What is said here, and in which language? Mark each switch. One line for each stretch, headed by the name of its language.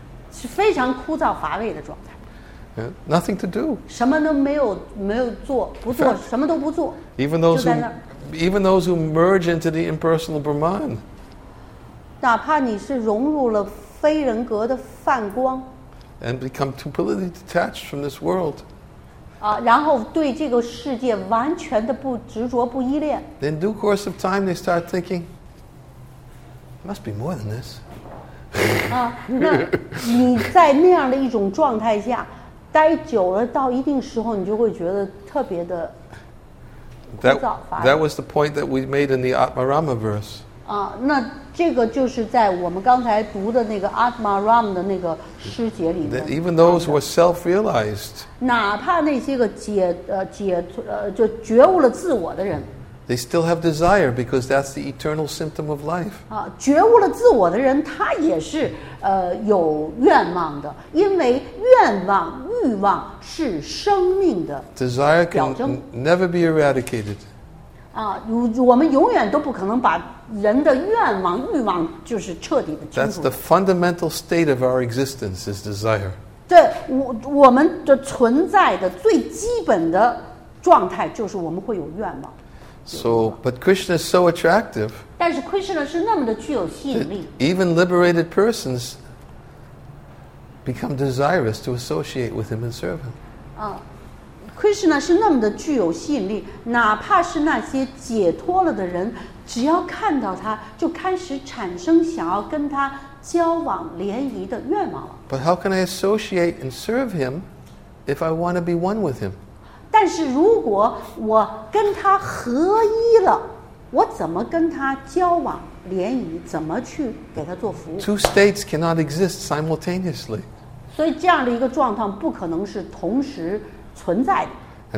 Chinese: 是非常枯燥乏味的状态。
English: Nothing to do.
Chinese: 什么都没有做，不做，什么都不做。
English: Even those who merge into the impersonal Brahman.
Chinese: 哪怕你是融入了非人格的梵光
English: ，and become completely detached from this world，
Chinese: 啊，然后对这个世界完全的不执着、不依恋。
English: In due course of time, they start thinking, must be more than this.
Chinese: 啊，那你在那样的一种状态下待久了，到一定时候，你就会觉得特别的枯燥乏味。
English: That was the point that we made in the Atmarama verse.
Chinese: 啊，那这个就是在我们刚才读的那个 Atma Ram 的那个诗节里面。
English: Even those who are self-realized,
Chinese: 哪怕那些个就觉悟了自我的人。
English: They still have desire because that's the eternal symptom of life.
Chinese: 啊，觉悟了自我的人，他也是有愿望的，因为愿望欲望是生命的表征。
English: Desire can never be eradicated.
Chinese: 啊，我们永远都不可能把人的愿望欲望就是彻底的清除。
English: That's the fundamental state of our existence is desire.
Chinese: 对，我们的存在的最基本的状态就是我们会有愿望。
English: So, but Krishna is so attractive.
Chinese: 但是 Krishna 是那么的具有吸引力。
English: Even liberated persons become desirous to associate with him and serve him.
Chinese: Krishna 是那么的具有吸引力，哪怕是那些解脱了的人，只要看到他，就开始产生想要跟他交往联谊的愿望了。
English: But how can I associate and serve him if I want to be one with him?
Chinese: 但是如果我跟他合一了，我怎么跟他交往联谊？怎么去给他做服务
English: ？Two states cannot exist simultaneously.
Chinese: 所以这样的一个状况不可能是同时存在的。